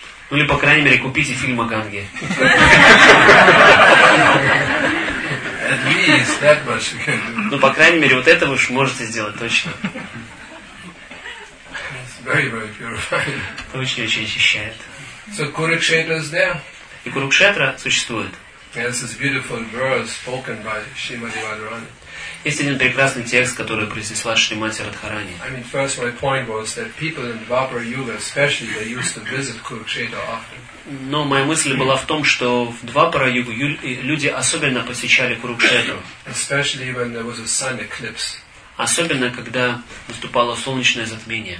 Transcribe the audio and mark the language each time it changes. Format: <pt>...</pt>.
<ru>Ну или, по крайней мере, купите фильм о Ганге.</ru> <en>At least that much.</en> <ru>Ну, по крайней мере, вот это вы уж можете сделать точно.</ru> <en>It's very, very purifying.</en> <ru>Это очень-очень очищает.</ru> <en>So Kurukshetra is there.</en> <ru>И Курукшетра существует.</ru> <en>This is beautiful verse spoken by Shrimati Radharani.</en> <ru>Есть один прекрасный текст, который произнесла Шримати Радхарани.</ru> <en>I mean, first my point was that people in Dvapara Yuga, especially, they used to visit Kurukshetra often.</en> <ru>Но моя мысль была в том, что в Двапара Югу люди особенно посещали Курукшетру.</ru> <en>Especially when there was a sun eclipse.</en> <ru>Особенно когда наступало солнечное затмение.</ru>